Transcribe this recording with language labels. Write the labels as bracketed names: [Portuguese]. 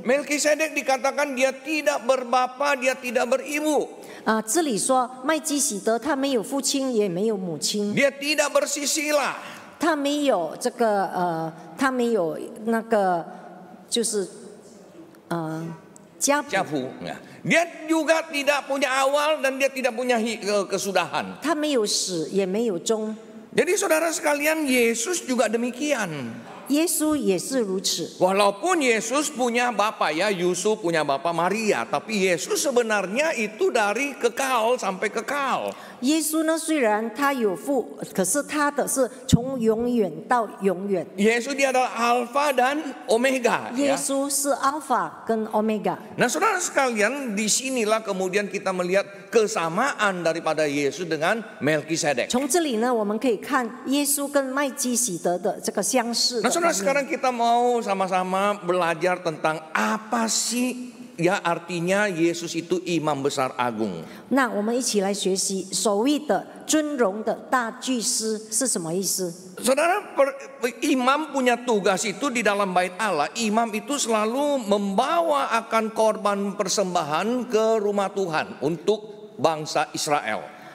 [Indonesian] Melkisedek dikatakan dia tidak berbapa, dia tidak beribu. [Chinese] 这里说麦基洗德他没有父亲，也没有母亲。 [Indonesian] Dia tidak bersisila. [Chinese] 他没有这个他没有那个就是家谱。 [Indonesian] Dia juga tidak punya awal dan dia tidak punya kesudahan. [Chinese] 他没有始，也没有终。 [Indonesian] Jadi saudara sekalian, Yesus juga demikian. [Chinese] 耶稣也是如此。 [Indonesian] Walaupun Yesus punya bapa ya, Yusuf punya bapa Maria, tapi Yesus sebenarnya itu dari kekal sampai kekal. [Chinese] 耶稣呢，虽然他有父，可是他的是从永远到永远。 [Indonesian] Yesus dia adalah Alpha dan Omega. [Chinese] 耶稣是 Alpha 跟 Omega. [Indonesian] Nah, saudara sekalian, disinilah kemudian kita melihat kesamaan daripada Yesus dengan Melkisedek. [Chinese] 从这里呢，我们可以看耶稣跟麦基洗德的这个相似。 [Indonesian] Nah, saudara, sekarang kita mau sama-sama belajar tentang apa sih ya artinya Yesus itu imam besar agung. [Chinese] Nah, 我们一起来学习所谓的尊荣的大祭司是什么意思。 [Indonesian] Saudara, imam punya tugas itu di dalam bait Allah, imam itu selalu membawa akan korban persembahan ke rumah Tuhan untuk bangsa Israel.